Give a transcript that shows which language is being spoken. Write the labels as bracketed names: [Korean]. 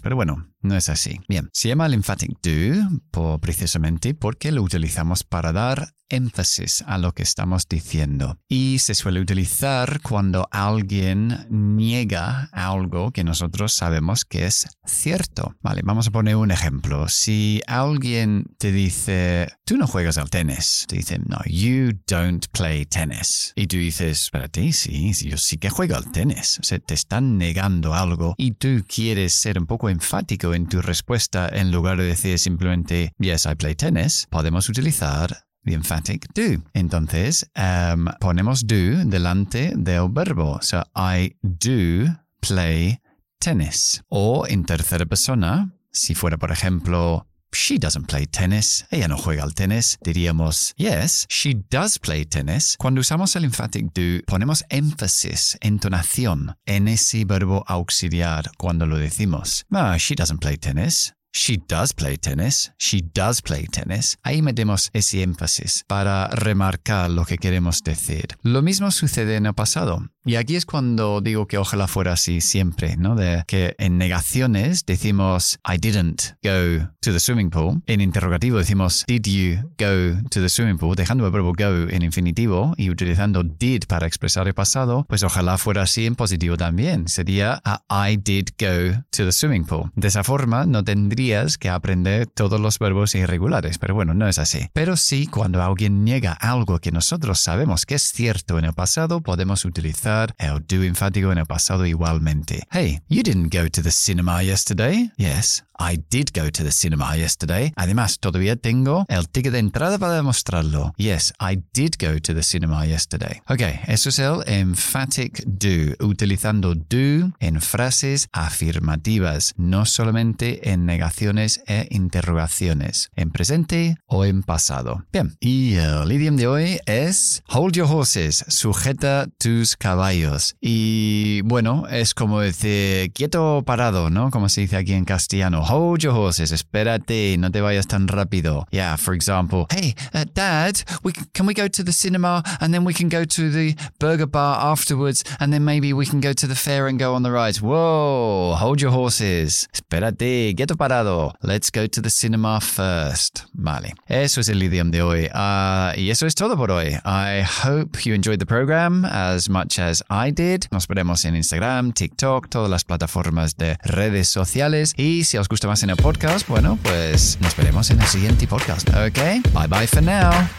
[Spanish] Pero bueno, no es así. Bien, se llama el emphatic do precisamente porque lo utilizamos para dar énfasis a lo que estamos diciendo. Y se suele utilizar cuando alguien niega algo que nosotros sabemos que es cierto. Vale, vamos a poner un ejemplo. Si alguien te dice, tú no juegas al tenis. Te dicen, no, [English] you don't play tennis. [Spanish] Y tú dices, espérate, sí, yo sí que juego al tenis. O sea, te están negando algo y tú quieres ser un poco enfático en tu respuesta en lugar de decir simplemente, [English] yes, I play tennis. [Spanish] Podemos utilizar the emphatic do. Entonces, ponemos do delante del verbo. [English] So, I do play tennis. [Spanish] O en tercera persona, si fuera, por ejemplo, [English] she doesn't play tennis. [Spanish] Ella no juega al tenis. Diríamos, [English] yes, she does play tennis. [Spanish] Cuando usamos el emphatic do, ponemos énfasis, entonación, en ese verbo auxiliar cuando lo decimos. [English] Ah, she doesn't play tennis. She does play tennis. She does play tennis. [Spanish] Ahí metemos ese énfasis para remarcar lo que queremos decir. Lo mismo sucede en el pasado. Y aquí es cuando digo que ojalá fuera así siempre, ¿no? De que en negaciones decimos, [English] I didn't go to the swimming pool. [Spanish] En interrogativo decimos, [English] did you go to the swimming pool? [Spanish] Dejando el verbo go en infinitivo y utilizando did para expresar el pasado, pues ojalá fuera así en positivo también. Sería, [English] I did go to the swimming pool. [Spanish] De esa forma, no tendrías que aprender todos los verbos irregulares. Pero bueno, no es así. Pero sí, cuando alguien niega algo que nosotros sabemos que es cierto en el pasado, podemos utilizar el do enfático en el pasado igualmente. [English] Hey, you didn't go to the cinema yesterday? Yes, I did go to the cinema yesterday. [Spanish] Además, todavía tengo el ticket de entrada para demostrarlo. [English] Yes, I did go to the cinema yesterday. [Spanish] Okay, eso es el emphatic do, utilizando do en frases afirmativas, no solamente en negaciones e interrogaciones, en presente o en pasado. Bien, y el idioma de hoy es [English] hold your horses, [Spanish] sujeta tus caballos. Y bueno, es como decir quieto o parado, ¿no? Como se dice aquí en castellano. [English] Hold your horses, [Spanish] espérate, no te vayas tan rápido. [English] Yeah, for example, hey, dad, can we go to the cinema and then we can go to the burger bar afterwards and then maybe we can go to the fair and go on the rides. Whoa, hold your horses. [Spanish] Espérate, quieto parado. [English] Let's go to the cinema first. [Spanish] Vale, eso es el idioma de hoy. Y eso es todo por hoy. [English] I hope you enjoyed the program as much as I did. [Spanish] Nos veremos en Instagram, TikTok, todas las plataformas de redes sociales. Y si os gusta más en el podcast, bueno, pues nos veremos en el siguiente podcast. [English] Okay, bye bye for now.